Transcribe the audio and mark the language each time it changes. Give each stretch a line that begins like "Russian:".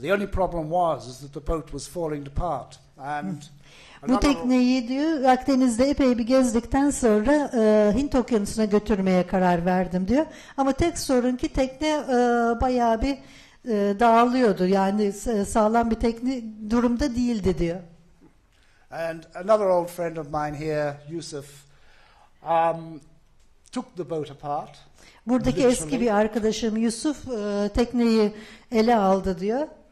English: The only problem was is that the boat was falling apart. And
Turkish: bu tekneyi diyor, Akdeniz'de epey bir gezdikten sonra Hint Okyanusu'na götürmeye karar verdim diyor. Ama tek sorun ki tekne bayağı bir dağılıyordu. Yani sağlam bir tekne durumda değildi diyor.
English: And another old friend of mine here, Yusuf, took the boat apart.
Turkish: Buradaki eski bir arkadaşım Yusuf tekneyi ele aldı diyor.